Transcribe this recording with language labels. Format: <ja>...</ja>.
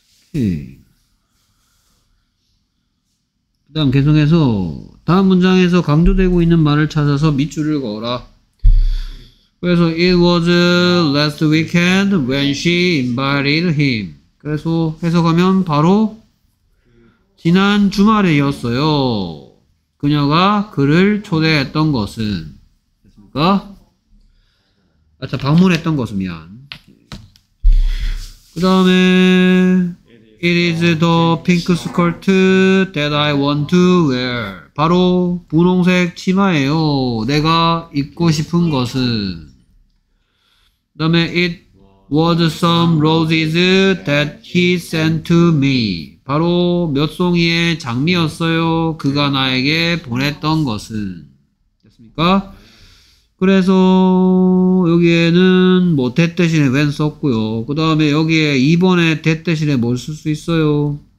<ko>오케이. 그 다음 계속해서 다음 문장에서 강조되고 있는 말을 찾아서 밑줄을 그어라.</ko> <en>그래서 It was last weekend when she invited him.</en> <ko>그래서 해석하면 바로 지난 주말이었어요. 그녀가 그를 초대했던 것은 됐습니까? 아, 방문했던 것은 미안. 그 다음에</ko> <en>It is the pink skirt that I want to wear.</en> <ko>바로 분홍색 치마예요. 내가 입고 싶은 것은. 다음에</ko> <en>it was some roses that he sent to me.</en> <ko>바로 몇 송이의 장미였어요. 그가 나에게 보냈던 것은. 됐습니까? 그래서 여기에는 뭐 that 대신에 when 썼고요. 그 다음에 여기에 2번에 that 대신에 뭘 쓸 수 있어요?</ko>